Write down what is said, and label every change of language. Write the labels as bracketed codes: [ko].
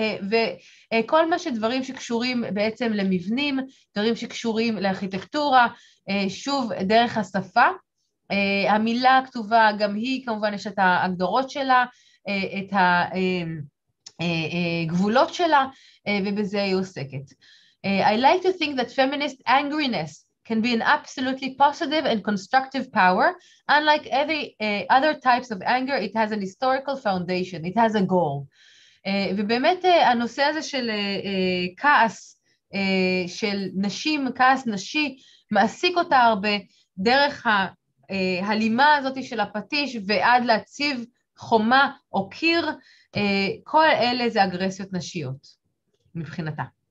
[he] וכל מה שדברים שקשורים בעצם למבנים, דברים שקשורים לארכיטקטורה, שוב דרך השפה, המילה הכתובה גם היא כמובן יש את ההגדרות שלה, את הגבולות שלה, ובזה היא עוסקת. [en] I like to think that feminist angriness can be an absolutely positive and constructive power, unlike every other types of anger, it has an historical foundation, it has a goal. [he] ובאמת הנושא הזה של כעס, של נשים, כעס נשי, מעסיק אותה הרבה דרך ההלימה הזאת של הפטיש ועד להציב חומה או קיר, כל אלה זה אגרסיות נשיות מבחינתה.